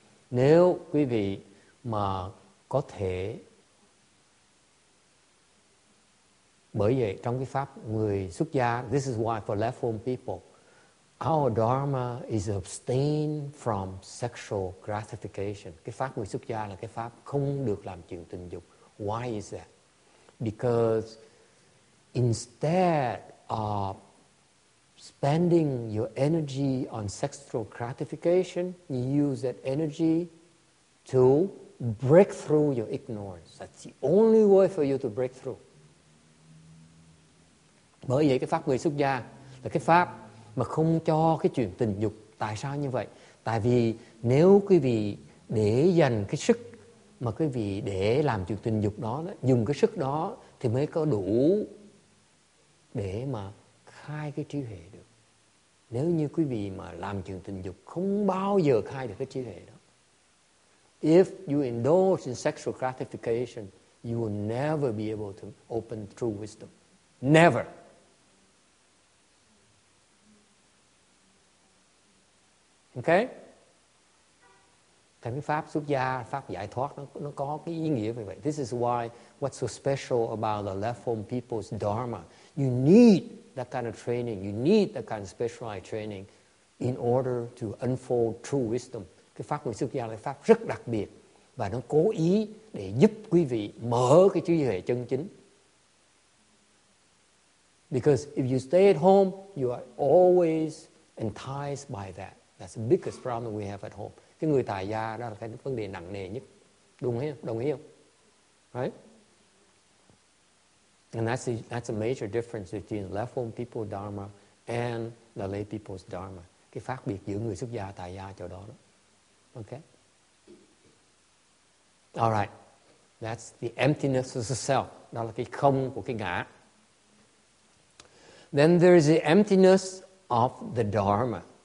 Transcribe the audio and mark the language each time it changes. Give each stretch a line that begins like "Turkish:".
Vietnamese: Nếu quý vị mà có thể, bởi vậy trong cái pháp người xuất gia,
English: this is why for left-home people, our dharma is abstain from sexual gratification.
Vietnamese: Cái pháp người xuất gia là cái pháp không được làm chuyện tình dục.
English: Why is that? Because instead of spending your energy on sexual gratification, you use that energy to break through your ignorance. That's the only way for you to break through.
Vietnamese: Bởi vậy cái pháp người xuất gia là cái pháp mà không cho cái chuyện tình dục. Tại sao như vậy? Tại vì nếu quý vị để dành cái sức mà quý vị để làm chuyện tình dục đó, dùng cái sức đó thì mới có đủ để mà khai cái trí huệ được. Nếu như quý vị mà làm chuyện tình dục không bao giờ khai được cái trí huệ đó.
English: If you indulge in sexual gratification, you will never be able to open true wisdom. Never. Okay?
Vietnamese: Thành pháp xuất gia, pháp giải thoát nó có cái ý nghĩa vậy.
English: This is why what's so special about the left home people's dharma. You need that kind of training. You need that kind of specialized training in order to unfold true wisdom.
Vietnamese: Cái pháp người xuất gia là pháp rất đặc biệt và nó cố ý để giúp quý vị mở cái trí huệ chân chính.
English: Because if you stay at home, you are always enticed by that. That's the biggest problem we have at home.
Vietnamese: Cái người tài gia đó là cái vấn đề nặng nề nhất. Đúng không? Đồng ý không?
English: Right? And that's a major difference between left-home people's dharma and the lay people's dharma.
Vietnamese: Cái khác biệt giữa người xuất gia tài gia chỗ đó đó. Okay?
English: All right. That's the emptiness of the self.
Vietnamese: Đó là cái không của cái ngã.
English: Then there is the emptiness of the dharma.